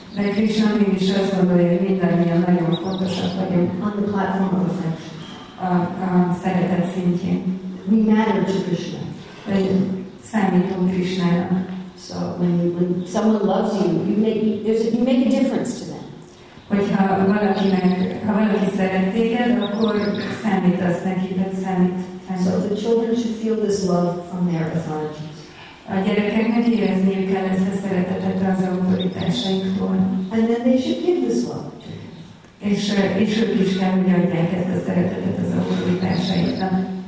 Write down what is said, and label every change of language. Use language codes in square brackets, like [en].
[en] On the platform of affection. We matter to Krishna. So when someone loves you, you make a difference to them. [hu] Hogyha valaki szeret téged, akkor számít az neki, de számít. [en] So the children should feel this love from their authorities. [hu] A gyerekeknek érezniük kell ezt a szeretetet az autoritásaiktól. [en] And then they should give this love. [hu] És ők is kell, hogy adják ezt a szeretetet az autoritásaiknak.